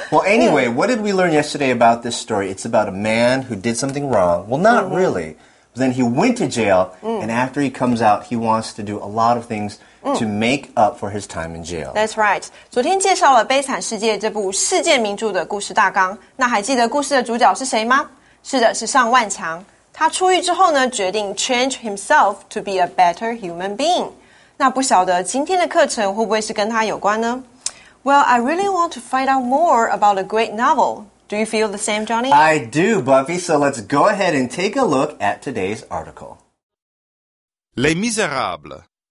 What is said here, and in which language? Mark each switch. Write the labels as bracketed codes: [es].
[en] Well, anyway, what did we learn yesterday about this story? It's about a man who did something wrong. Well, not really. But then he went to jail. And after he comes out, he wants to do a lot of things to make up for his time in jail. That's right. [zh] 昨天介绍了《悲惨世界》这部世界名著的故事大纲。那还记得故事的主角是谁吗？是的，是尚万强。他出狱之后呢，决定 [en] change himself to be a better human being. [zh] 那不晓得今天的课程会不会是跟他有关呢？ [en] Well, I really want to find out more about a great novel. Do you feel the same, Johnny? I do, Buffy. So let's go ahead and take a look at today's article. Les Misérables.